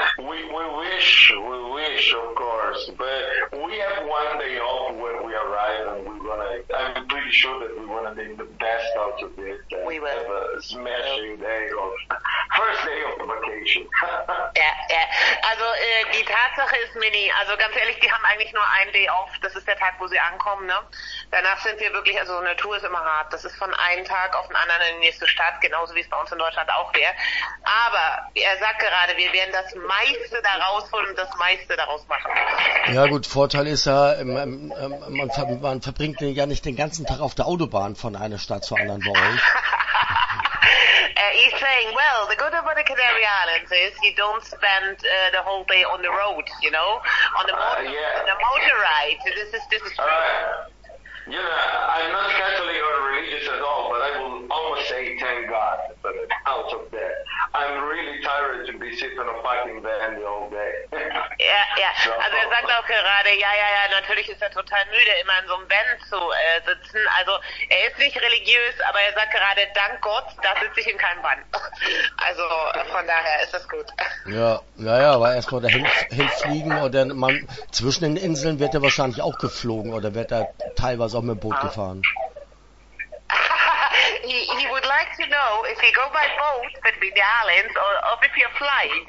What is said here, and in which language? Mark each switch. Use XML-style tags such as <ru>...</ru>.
<en>We wish, of course, but we have one day off when we arrive, and I'm pretty sure that we're gonna make the best out of it. We will. Have a smashing day off.</en> <de>Also die Tatsache ist, Mini, also ganz ehrlich, die haben eigentlich nur einen Day off, das ist der Tag, wo sie ankommen, ne? Danach sind wir wirklich, also eine Tour ist immer hart, das ist von einem Tag auf den anderen in die nächste Stadt, genauso wie es bei uns in Deutschland auch wäre. Aber er sagt gerade, wir werden das meiste da rausholen und das meiste daraus machen. Ja gut, Vorteil ist ja, man verbringt ja nicht den ganzen Tag auf der Autobahn von einer Stadt zur anderen bei euch.</de> <en>He's saying, well, the good about the Canary Islands is you don't spend the whole day on the road, you know, on the motor ride. This is true. You know, I'm not Catholic or religious at all, but I will almost say thank God for it, out of that. I'm really tired to be sitting on a fucking band the whole day.</en> <de>Also er sagt auch gerade, ja, natürlich ist er total müde, immer in so einem Van zu sitzen. Also er ist nicht religiös, aber er sagt gerade, dank Gott, da sitze ich in keinem Van. Also von daher ist das gut. Ja, aber erstmal dahin hinfliegen und dann zwischen den Inseln wird er wahrscheinlich auch geflogen oder wird er teilweise auch mit dem Boot gefahren.</de> <en>He would like to know if he go by boat between the islands or if you're flying.</en>